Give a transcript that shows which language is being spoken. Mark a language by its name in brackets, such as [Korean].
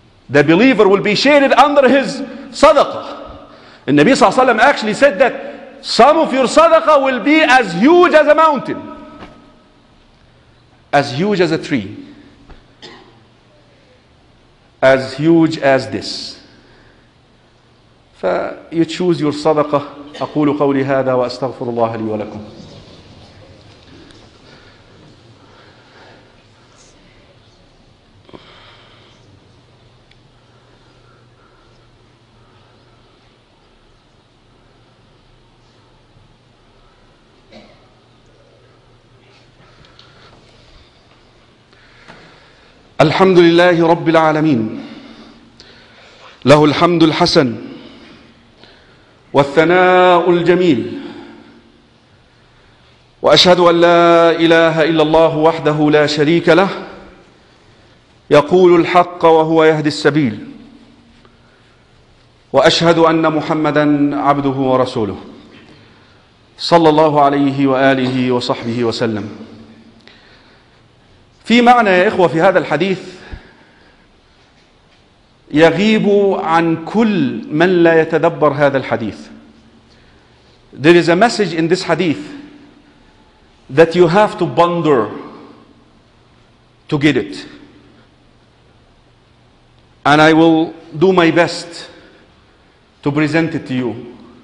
[English] The believer will be shaded under his صدقه. [Arabic] النبي صلى الله عليه وسلم [English] actually said that some of your صدقه will be as huge as a mountain, as huge as a tree, as huge as this. فyou choose your صدقه. [Arabic] أقول قولي هذا وأستغفر الله لي ولكم. الحمد لله رب العالمين، له الحمد الحسن والثناء الجميل، وأشهد أن لا إله إلا الله وحده لا شريك له، يقول الحق وهو يهدي السبيل، وأشهد أن محمدًا عبده ورسوله صلى الله عليه وآله وصحبه وسلم. في معنى يا إخوة في هذا الحديث يغيب عن كل من لا يتدبر هذا الحديث. [English] There is a message in this hadith that you have to ponder to get it. And I will do my best to present it to you.